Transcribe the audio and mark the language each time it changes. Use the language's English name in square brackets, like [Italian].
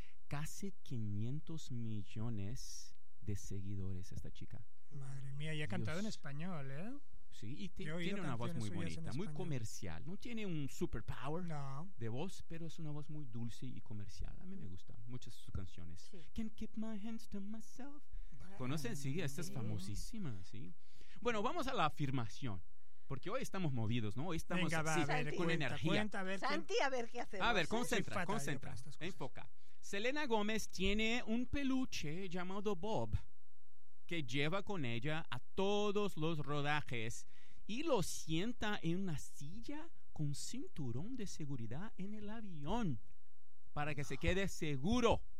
[Spanish] Casi 500 millones de seguidores esta chica. Madre mía, y ha cantado en español, ¿eh? Sí, y tiene una voz muy bonita, muy comercial. No tiene un superpower de voz, pero es una voz muy dulce y comercial. A mí me gustan muchas de sus canciones. Sí. [English] Can't keep my hands to myself. [Spanish] ¿Conocen? Sí, esta es famosísima, ¿sí? Bueno, vamos a la afirmación. Porque hoy estamos movidos, ¿no? Hoy estamos con energía. Santi, a ver qué hacemos. A ver, concentra. Enfoca. Selena Gómez tiene un peluche llamado Bob que lleva con ella a todos los rodajes y lo sienta en una silla con cinturón de seguridad en el avión para que se quede seguro.